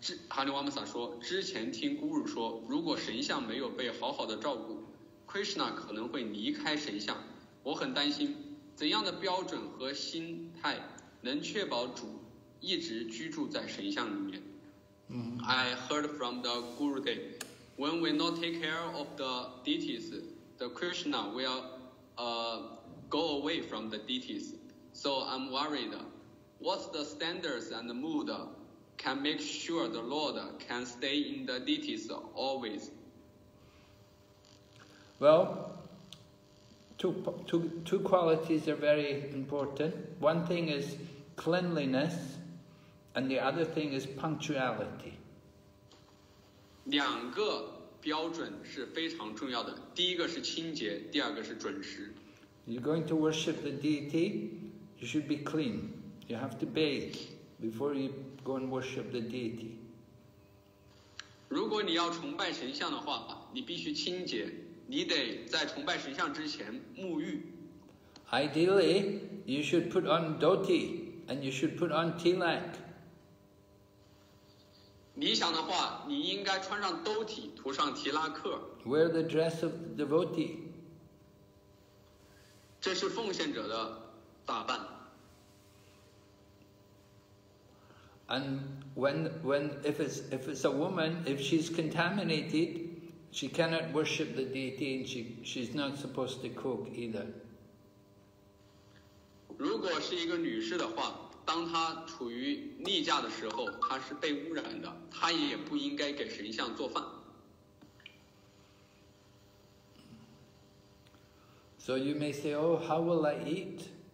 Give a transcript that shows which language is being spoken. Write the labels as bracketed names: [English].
[Chinese] 哈里瓦姆萨说，之前听咕噜说，如果神像没有被好好的照顾 ，Krishna 可能会离开神像。我很担心，怎样的标准和心态能确保主一直居住在神像里面？ [English] I heard from the Gurudev, when we not take care of the deities, the Krishna will go away from the deities. So I'm worried. What's the standards and the mood can make sure the Lord can stay in the deities always? Well, two qualities are very important. One thing is cleanliness, and the other thing is punctuality. [Chinese] 两个标准是非常重要的，第一个是清洁，第二个是准时。 [English] You're going to worship the deity, you should be clean. You have to bathe before you go and worship the deity. [Chinese] 如果你要崇拜神像的话，你必须清洁，你得在崇拜神像之前沐浴。 [English] Ideally, you should put on dhoti and you should put on tilak. [Chinese] 理想的话，你应该穿上兜体，涂上提拉克。 [English] Wear the dress of the devotee. [Chinese] 这是奉献者的打扮。 [English] And if it's a woman, if she's contaminated, she cannot worship the deity, and she's not supposed to cook either. [Chinese] 如果是一个女士的话。当他处于例假的时候，他是被污染的，他也不应该给神像做饭。 [English] So you may say, "Oh, how will I eat?"